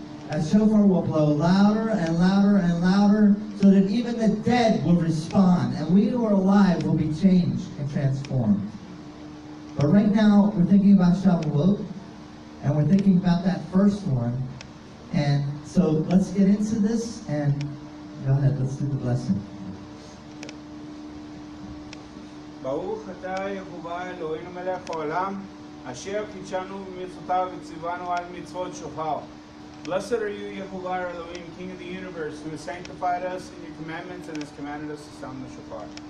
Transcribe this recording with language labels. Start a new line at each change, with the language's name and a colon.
English: That shofar will blow louder and louder and louder, so that even the dead will respond, and we who are alive will be changed and transformed. But right now, we're thinking about Shavuot, and we're thinking about that first one. And so let's get into this, and go ahead, let's do the blessing.
Hebrew: ברוך אתה יהוה אלוהינו מלך העולם, אשר קידשנו במצוותיו וציוונו על מצוות שופר.
English: Blessed are you, Yehovah Elohim, King of the Universe, who has sanctified us in your commandments and has commanded us to sound the shofar.